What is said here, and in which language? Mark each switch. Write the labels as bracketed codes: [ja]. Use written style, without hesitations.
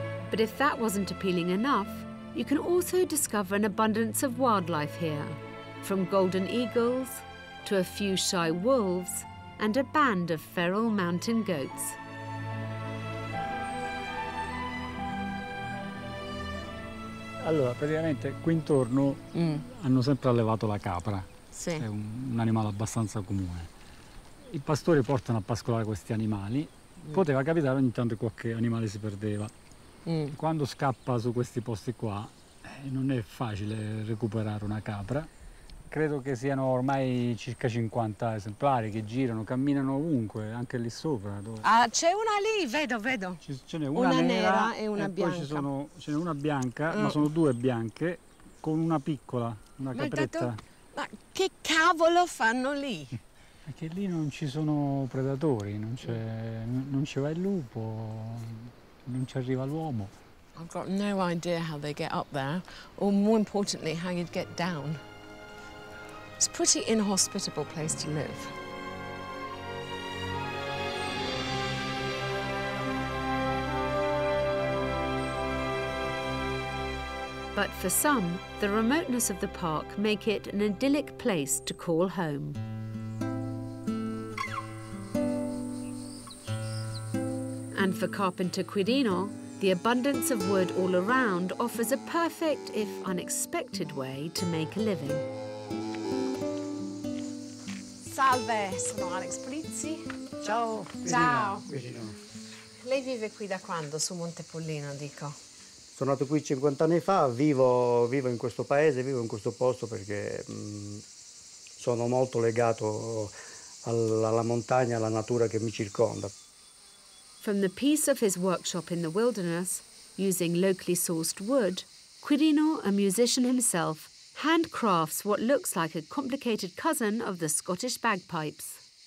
[en] But if that wasn't appealing enough, you can also discover an abundance of wildlife here, from golden eagles to a few shy wolves and a band of feral mountain goats. [it] Allora, praticamente qui intorno hanno sempre allevato la capra, sì. È un animale abbastanza comune. I pastori portano a pascolare questi animali, poteva capitare ogni tanto qualche animale si perdeva. Mm. Quando scappa su questi posti qua non è facile recuperare una capra. Credo che siano ormai circa 50 esemplari che girano, camminano ovunque, anche lì sopra. Dove... Ah, c'è una lì, vedo. Ce n'è una nera e una bianca. Ce n'è una bianca, ma sono due bianche, con una piccola, una capretta. Ma che cavolo fanno lì? Perché lì non ci sono predatori, non ci va il lupo, non ci arriva l'uomo. [en] I've got no idea how they get up there, or more importantly, how you'd get down. It's a pretty inhospitable place to live. But for some, the remoteness of the park make it an idyllic place to call home. And for carpenter Quirino, the abundance of wood all around offers a perfect, if unexpected, way to make a living. [it] Salve, sono Alex Polizzi. Ciao. Ciao. Lei vive qui da quando? Su Monte Pollino, dico. Sono nato qui 50 anni fa, vivo in questo paese, vivo in questo posto perché sono molto legato alla montagna, alla natura che mi circonda. [en] From the peace of his workshop in the wilderness, using locally sourced wood, Quirino, a musician himself, handcrafts what looks like a complicated cousin of the Scottish bagpipes.